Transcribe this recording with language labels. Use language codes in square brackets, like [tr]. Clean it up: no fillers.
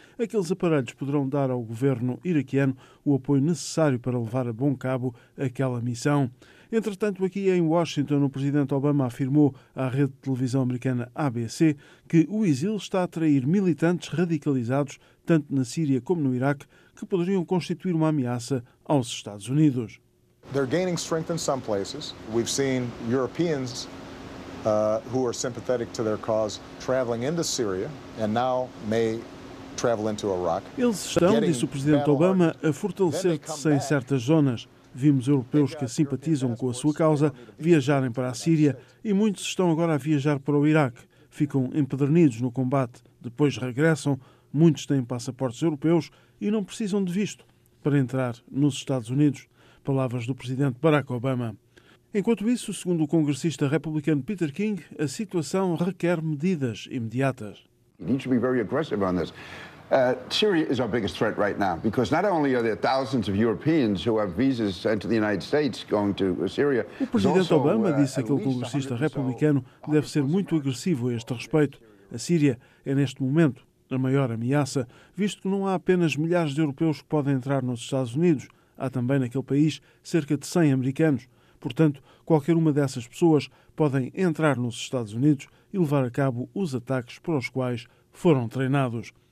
[pt] Aqueles aparelhos poderão dar ao governo iraquiano o apoio necessário para levar a bom cabo aquela missão. Entretanto, aqui em Washington, o presidente Obama afirmou à rede de televisão americana ABC que o ISIL está a atrair militantes radicalizados, tanto na Síria como no Iraque, que poderiam constituir uma ameaça aos Estados Unidos. [en] They're gaining strength in some places. We've seen Europeans who are sympathetic to their cause traveling into Syria and now may travel into Iraq. [pt] Eles estão, disse o presidente Obama, a fortalecer-se em certas zonas. Vimos europeus que simpatizam com a sua causa viajarem para a Síria e muitos estão agora a viajar para o Iraque. Ficam empedernidos no combate, depois regressam. Muitos têm passaportes europeus e não precisam de visto para entrar nos Estados Unidos. Palavras do presidente Barack Obama. Enquanto isso, segundo o congressista republicano Peter King, a situação requer medidas imediatas. [en] We need to be very aggressive on this. Syria is our biggest threat right now, because not only are there thousands of Europeans who have visas into the United States going to Syria. [pt] O presidente Obama disse que o congressista republicano deve ser muito agressivo a este respeito. A Síria é neste momento a maior ameaça, visto que não há apenas milhares de europeus que podem entrar nos Estados Unidos. Há também naquele país cerca de 100 americanos. Portanto, qualquer uma dessas pessoas podem entrar nos Estados Unidos e levar a cabo os ataques para os quais foram treinados.